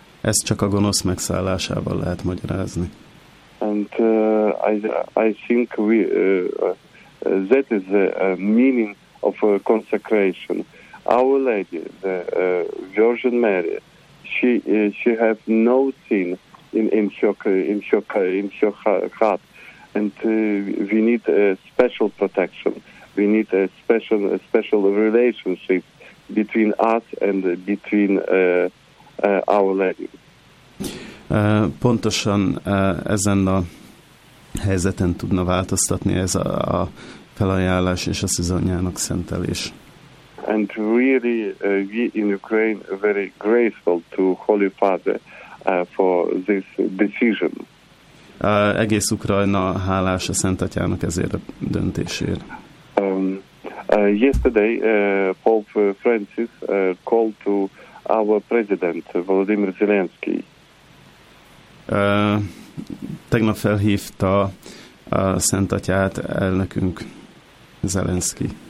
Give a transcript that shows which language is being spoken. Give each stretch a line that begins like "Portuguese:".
Hungarian: Ezt csak a gonosz megszállásával lehet magyarázni.
English: And I think we that is the meaning of consecration. Our Lady, the Virgin Mary, she have no sin in her heart, and we need a special protection. We need a special relationship between us and between Our Lady.
Hungarian: Pontosan ezen a helyzeten tudna változtatni ez a felajánlás és a szűzanyának szentelés.
English: And really, we in Ukraine are very grateful to Holy Father for this decision.
Hungarian: Egész Ukrajna hálás a Szent Atyának ezért a döntésért.
English: Yesterday, Pope Francis called to our president, Volodymyr Zelensky.
Hungarian: Tegnap felhívta a Szent Atyát elnökünk, Zelensky.